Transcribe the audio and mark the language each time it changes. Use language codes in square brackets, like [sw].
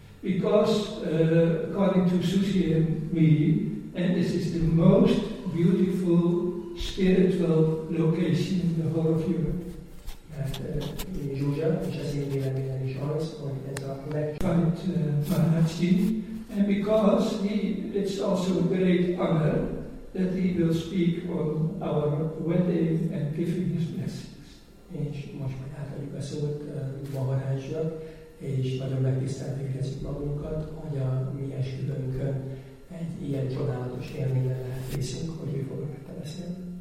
[en] Because according to Susi and me, and this is the most beautiful spiritual location in the whole of Europe. [hu] Mert Zsuzsa, és az én véleményem is az, hogy ez a [en] and because he, it's also a great honor that he will speak on our wedding and giving his blessings. [hu] És most már átadjuk a szót Maharajnak, és nagyon megtiszteltetjük magunkat, hogy a mi esküdőnkön egy ilyen csodálatos élményen lehet részünk, hogy ő fog előtte beszélni.